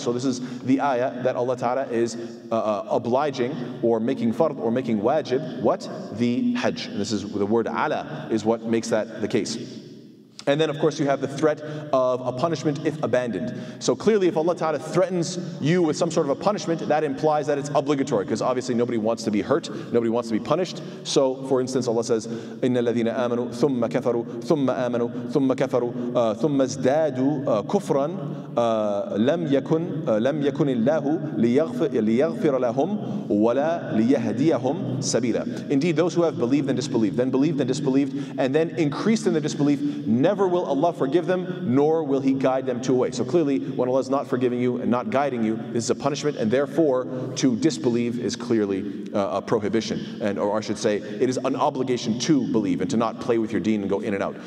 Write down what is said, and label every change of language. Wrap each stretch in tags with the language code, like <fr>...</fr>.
<en>So this is the ayah that Allah Ta'ala is obliging, or making fard, or making wajib, what? The hajj. This is the word ala, is what makes that the case. And then, of course, you have the threat of a punishment if abandoned. So clearly, if Allah Ta'ala threatens you with some sort of a punishment, that implies that it's obligatory, because obviously nobody wants to be hurt, nobody wants to be punished. So, for instance, Allah says,</en> <ar>إِنَّ الَّذِينَ آمَنُوا ثُمَّ كَفَرُوا ثُمَّ آمَنُوا ثُمَّ كَفَرُوا ثُمَّ ازْدَادُوا كُفْرًا لَمْ يَكُنِ اللَّهُ لِيَغْفِرَ لَهُمْ وَلَا لِيَهْدِيَهُمْ سَبِيلًا.</ar> <en>Indeed, those who have believed and disbelieved, then believed and disbelieved, and then increased in the disbelief, never will Allah forgive them, nor will He guide them to a way. So clearly, when Allah is not forgiving you and not guiding you, this is a punishment, and therefore, to disbelieve is clearly a prohibition, and or I should say, it is an obligation to believe and to not play with your deen and go in and out.</en>